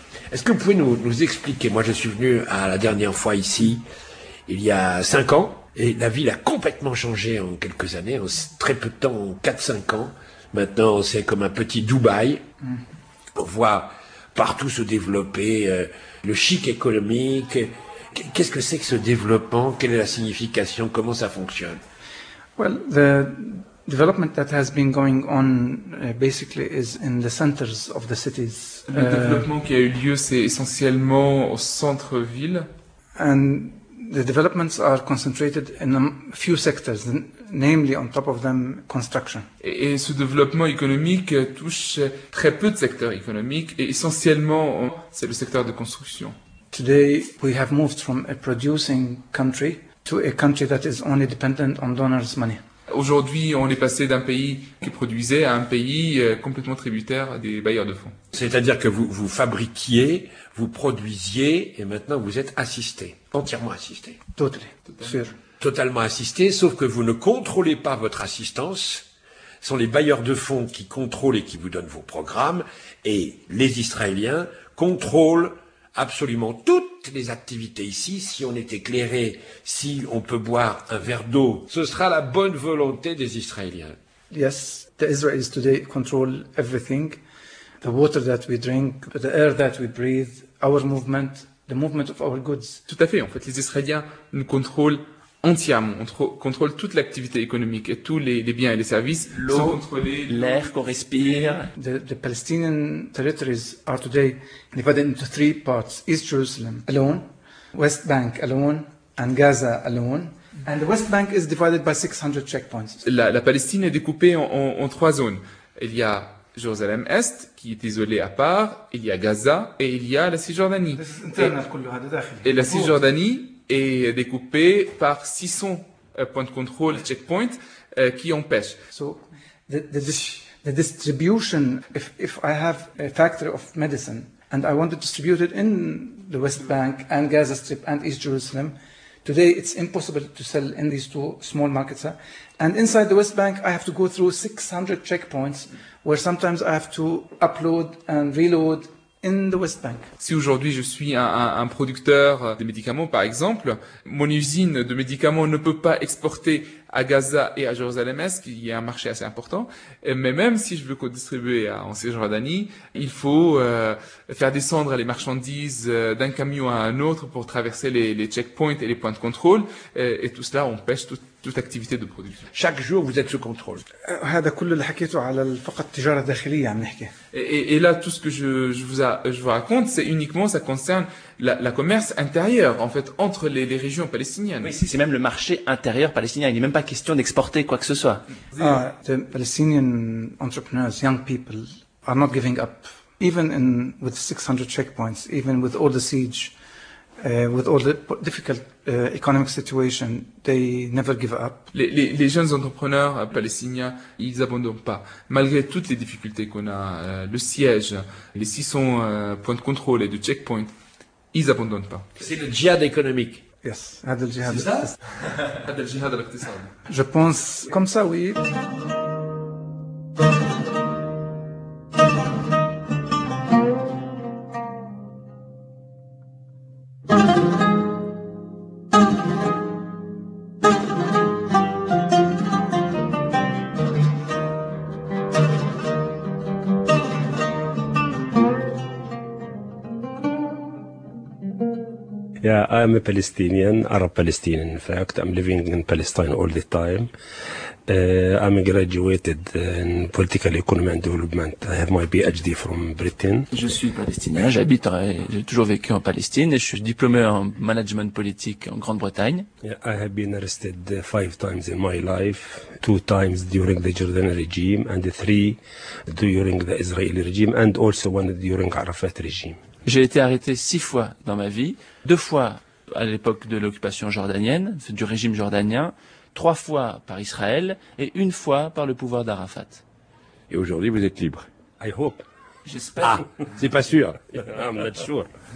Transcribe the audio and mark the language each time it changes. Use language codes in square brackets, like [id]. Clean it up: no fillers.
[fr] Est-ce que vous pouvez nous expliquer, moi je suis venu à la dernière fois ici, il y a 5 ans, et la ville a complètement changé en quelques années, en très peu de temps, en 4-5 ans. Maintenant, c'est comme un petit Dubaï. On voit partout se développer le chic économique. Qu'est-ce que c'est que ce développement? Quelle est la signification? Comment ça fonctionne? [en] Well, the development that has been going on basically is in the centers of the cities. [fr] Le développement qui a eu lieu, c'est essentiellement au centre-ville. [en] And the developments are concentrated in a few sectors, namely on top of them construction. [fr] Et ce développement économique touche très peu de secteurs économiques et essentiellement c'est le secteur de construction. [en] Today we have moved from a producing country to a country that is only dependent on donors' money. [fr] Aujourd'hui, on est passé d'un pays qui produisait à un pays complètement tributaire des bailleurs de fonds. C'est-à-dire que vous fabriquiez, vous produisiez, et maintenant vous êtes assisté, entièrement assisté. Totalement assisté, sauf que vous ne contrôlez pas votre assistance. Ce sont les bailleurs de fonds qui contrôlent et qui vous donnent vos programmes, et les Israéliens contrôlent absolument toutes les activités ici. Si on est éclairé, si on peut boire un verre d'eau, ce sera la bonne volonté des Israéliens. [en] Yes, the Israelis today control everything. The water that we drink, the air that we breathe, our movement, the movement of our goods. [fr] Tout à fait. En fait, les Israéliens nous contrôlent entièrement, on contrôle toute l'activité économique et tous les biens et les services. L'eau, sont contrôlés, l'air qu'on respire. [en] The Palestinian territories are today divided into three parts: East Jerusalem alone, West Bank alone, and Gaza alone. And the West Bank is divided by 600 checkpoints. [fr] La Palestine est découpée en trois zones. Il y a Jérusalem Est qui est isolée à part. Il y a Gaza et il y a la Cisjordanie. Et la Cisjordanie est découpé par 600 points de contrôle, checkpoints, qui empêchent. [en] So, the distribution, if I have a factory of medicine and I want to distribute it in the West Bank and Gaza Strip and East Jerusalem, today it's impossible to sell in these two small markets. Huh? And inside the West Bank, I have to go through 600 checkpoints where sometimes I have to upload and reload in the West Bank. [fr] Si aujourd'hui je suis un producteur de médicaments, par exemple, mon usine de médicaments ne peut pas exporter à Gaza et à Jérusalem-Est, qui est un marché assez important, mais même si je veux distribuer en Cisjordanie, il faut faire descendre les marchandises d'un camion à un autre pour traverser les checkpoints et les points de contrôle, et tout cela empêche toute activité de production. Chaque jour, vous êtes sous contrôle. Et là, tout ce que je vous raconte, c'est uniquement, ça concerne la commerce intérieure, en fait, entre les régions palestiniennes. Oui, c'est même le marché intérieur palestinien. Il n'est même pas question d'exporter quoi que ce soit. [en] The Palestinian entrepreneurs, young people, are not giving up. Even with 600 checkpoints, even with all the siege, with all the difficult economic situation, they never give up. [fr] Les jeunes entrepreneurs palestiniens, ils abandonnent pas. Malgré toutes les difficultés qu'on a, le siège, les 600 points de contrôle et de checkpoints, ils abandonnent pas. C'est le djihad économique. [ar] Yes, had al jihad. [fr] C'est ça? [ar] Had al jihad al-iqtisad. [fr] Je pense comme ça, oui. [en] Yeah, I'm a Palestinian, Arab Palestinian in fact. I'm living in Palestine all the time. I'm a graduated in political economy and development. I have my PhD from Britain. [fr] Je suis palestinien, j'ai toujours vécu en Palestine et je suis diplômé en management politique en Grande-Bretagne. [en] Yeah, I have been arrested 5 times in my life, 2 times during the Jordan regime and 3 during the Israeli regime and also 1 during Arafat regime. [fr] J'ai été arrêté 6 fois dans ma vie, 2 fois à l'époque de l'occupation jordanienne, du régime jordanien, 3 fois par Israël et 1 fois par le pouvoir d'Arafat. Et aujourd'hui, vous êtes libre. [en] I hope. [fr] J'espère. Ah, c'est pas sûr. [en] I'm not sure.